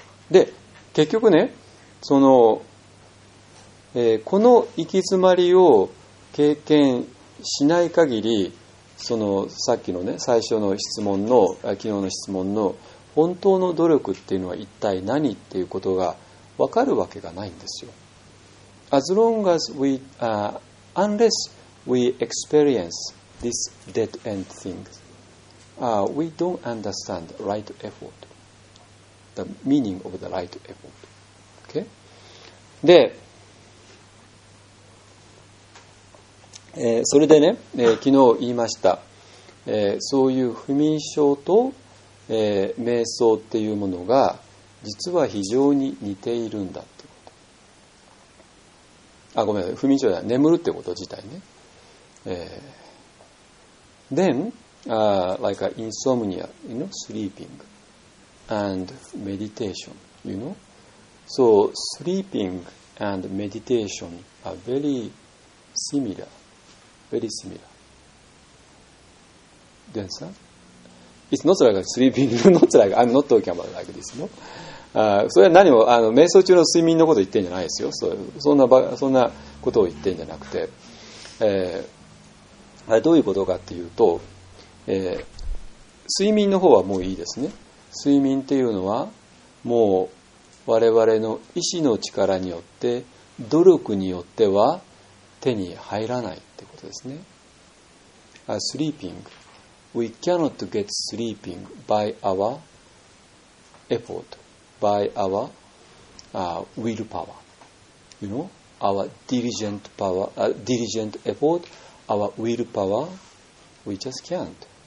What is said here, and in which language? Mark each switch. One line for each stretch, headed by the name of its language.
Japanese: で、結局ね、その、この行き詰まりを経験しない限り、そのさっきのね、最初の質問の、昨日の質問の本当の努力っていうのは一体何っていうことが分かるわけがないんですよ。
English: As long as we、unless we experience this dead end thing、we don't understand right effort, the meaning of the right effort、okay?
Japanese: で、それでね、昨日言いました、そういう不眠症と、瞑想っていうものが実は非常に似ているんだってこと。あ、ごめん、不眠症じゃない、眠るってこと自体ね。
English: Then, like an insomnia, you know, sleeping and meditation, you know. So, sleeping and meditation are very similar, very similar. Then, sir? It's not like sleeping, not like, I'm not talking about like this, no?
Japanese: それは何も、瞑想中の睡眠のことを言ってんじゃないですよ。そんなことを言ってんじゃなくて、あれどういうことかっていうと、睡眠の方はもういいですね。睡眠っていうのは、もう我々の意志の力によって、努力によっては手に入らないってことですね。
English: sleeping. We cannot get sleeping by our effort, by our、willpower. You know, our diligent power,、diligent effort, our willpower, we just can't.